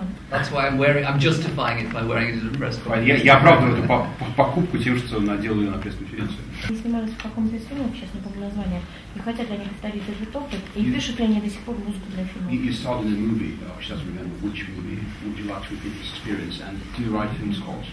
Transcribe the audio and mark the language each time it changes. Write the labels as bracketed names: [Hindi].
[English] That's why I'm justifying it by wearing it at a press conference. [Russian] Я оправдываю эту покупку тем, что надел ее на пресс-конференцию. Они снимались в каком-то фильме, сейчас не помню название, и хотят ли они повторить этот опыт, и пишут ли они до сих пор музыку для фильма. [English] You saw in a movie, I just don't remember which movie, would you like to repeat this experience, and do you write film scores?